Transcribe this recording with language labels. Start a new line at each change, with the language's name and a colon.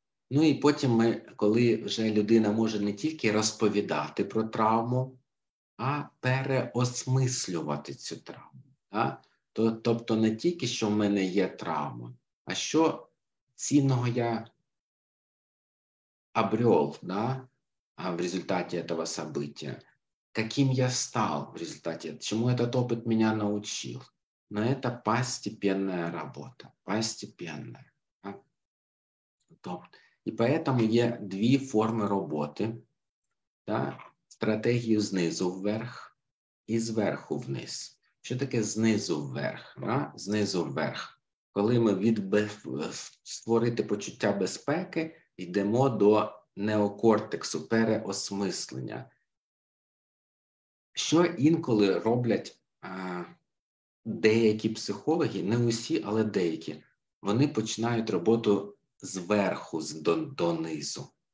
Ukrainian: Ну і потім, коли вже людина може не тільки розповідати про травму, а переосмислювати цю травму. Так? Тобто не тільки, що в мене є травма, а що цінного я обрел, да? А в результаті цього события.
Russian: Каким я стал в результате? Чему этот опыт меня научил? Но это постепенная работа. Постепенная. Да? И поэтому есть две формы работы. Да? Стратегию снизу вверх и сверху вниз. Что такое снизу вверх? Да? Снизу вверх. Когда мы
Ukrainian: створити почуття безпеки, йдемо до неокортексу, переосмислення. Що інколи роблять деякі психологи, не усі, але деякі, вони починають роботу зверху, донизу.